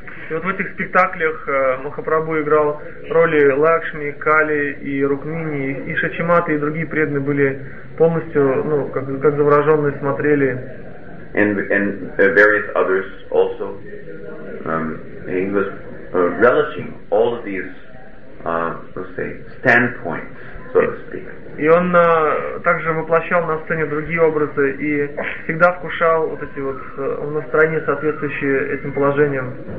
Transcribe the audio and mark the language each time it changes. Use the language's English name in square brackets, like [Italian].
[Russian] И вот в этих спектаклях Махапрабху играл роли Лакшми, Кали и Рукмини, и Шачиматы, и другие преданные были полностью, ну, как завороженные смотрели. [English] And various others also. He was relishing all of these, let's say, standpoints, so to speak. [Russian] И он также воплощал на сцене другие образы и всегда вкушал вот эти вот настроения, соответствующие этим положениям.